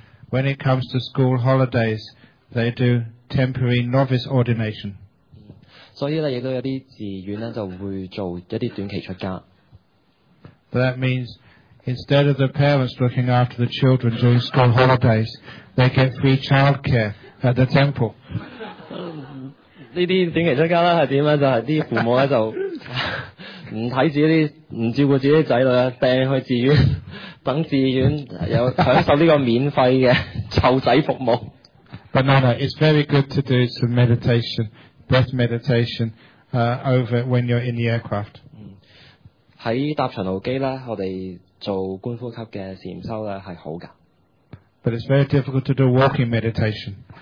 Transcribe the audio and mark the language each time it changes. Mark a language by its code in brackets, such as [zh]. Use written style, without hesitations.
[en] When it comes to school holidays, they do temporary novice ordination. [yue] 所以咧，亦都有啲寺院咧就會做一啲短期出家。 [en] That means instead of the parents looking after the children during school holidays, they get free childcare at the temple. [yue] 呢啲短期出家咧係點咧？就係啲父母咧就唔睇自己啲唔照顧自己仔女，掟去寺院。等寺院有享受呢个免费嘅凑仔服务。 [en] But no, it's very good to do some meditation, breath meditation, over when you're in the aircraft. [yue] 喺搭长途机咧，我哋做观呼吸嘅禅修咧系好噶。 [en] But it's very difficult to do walking meditation.